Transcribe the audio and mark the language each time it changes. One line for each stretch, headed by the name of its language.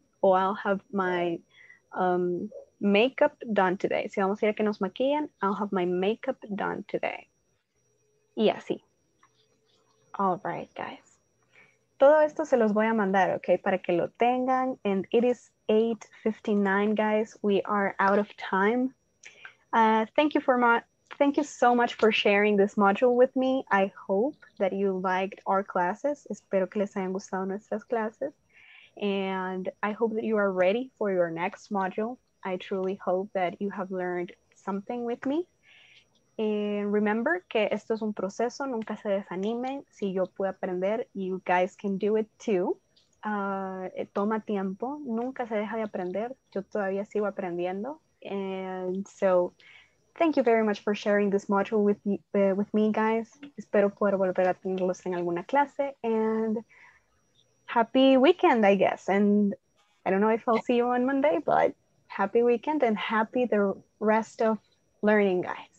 English: O I'll have my makeup done today.
Spanish: Si vamos a ir a que nos maquillen,
English: I'll have my makeup done today.
Spanish: Y así.
English: All right, guys.
Spanish: Todo esto se los voy a mandar, okay, para que lo tengan.
English: And it is 8:59, guys. We are out of time. Thank you so much for sharing this module with me. I hope that you liked our classes.
Spanish: Espero que les hayan gustado nuestras clases.
English: And I hope that you are ready for your next module. I truly hope that you have learned something with me. And remember
Spanish: que esto es un proceso, nunca se desanimen. Si yo puedo aprender,
English: you guys can do it too.
Spanish: Toma tiempo, nunca se deja de aprender. Yo todavía sigo aprendiendo.
English: And so thank you very much for sharing this module with me, guys.
Spanish: Espero poder volver a tenerlos en alguna clase.
English: And happy weekend, I guess. And I don't know if I'll see you on Monday, but happy weekend and happy the rest of learning, guys.